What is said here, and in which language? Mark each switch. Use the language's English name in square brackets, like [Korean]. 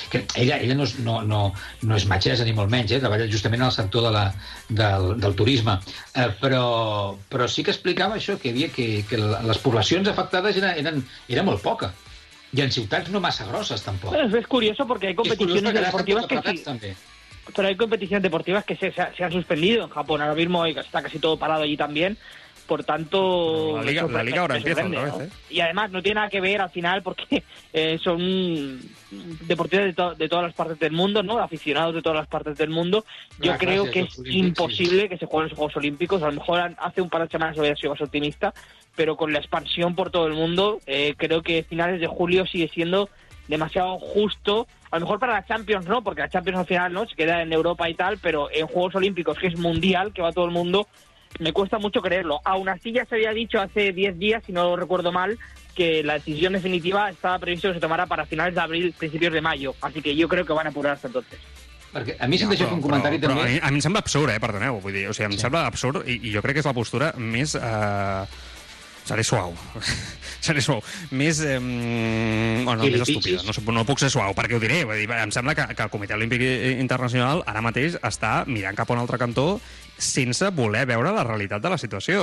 [Catalan] Que ella no és metgessa ni molt menys, treballa justament en el sector del turisme. Però sí que explicava això, que hi havia que les poblacions afectades eren molt poca. I en ciutats no massa grosses, tampoc. Bueno, és curioso perquè hi ha competicions esportives que sí. També. [Spanish] Pero hay competiciones deportivas que se han suspendido en Japón ahora mismo y está casi todo parado allí también. Por tanto... La liga ahora empieza, ¿no? Y además no tiene nada que ver al final porque son deportistas de todas las partes del mundo, ¿no? Aficionados de todas las partes del mundo. Yo creo que es imposible que se jueguen los Juegos Olímpicos. A lo mejor hace un par de semanas hubiera sido más optimista, pero con la expansión por todo el mundo, creo que finales de julio sigue siendo demasiado justo. A lo mejor para la Champions no, porque la Champions al final no se queda en Europa y tal, pero en Juegos Olímpicos, que es mundial, que va todo el mundo, me cuesta mucho creerlo. Aún así ya se había dicho hace 10 días, si no lo recuerdo mal, que la decisión definitiva estaba previsto que se tomara para finales de abril, principios de mayo. Así que yo creo que van a apurar hasta entonces. [Catalan] Perquè a mi se'm deixa un comentari però, també... A mi em sembla absurd, perdoneu. Vull dir, o sigui, em sí. sembla absurd i jo crec que és la postura més... Seré suau. Més estúpida. No puc ser suau, perquè ho diré. Vull dir, em sembla que el Comitè Olímpic Internacional ara mateix està mirant cap a un altre cantó sense voler veure la realitat de la situació.